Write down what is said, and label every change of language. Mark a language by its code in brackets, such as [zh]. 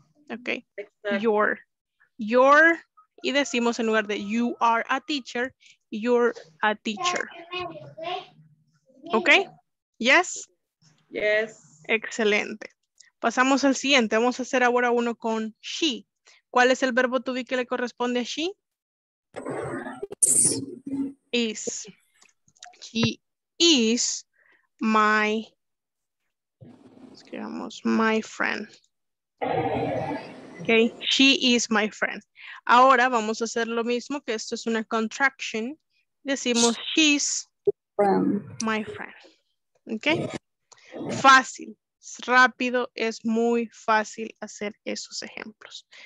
[en] Okay. Exacto. Your. Your, [es] y decimos en lugar de [en] you are a teacher, you're a teacher. Okay? Yes? Yes. [es] Excelente. Pasamos al siguiente. Vamos a hacer ahora uno con she. ¿Cuál es el verbo to be que le corresponde a she? [en] Is. She is my, escribamos, my friend. Okay, she is my friend. [es] Ahora vamos a hacer lo mismo, que esto es una contraction. Decimos [en] she's my friend. [es] Okay, fácil, es rápido, es muy fácil hacer esos ejemplos.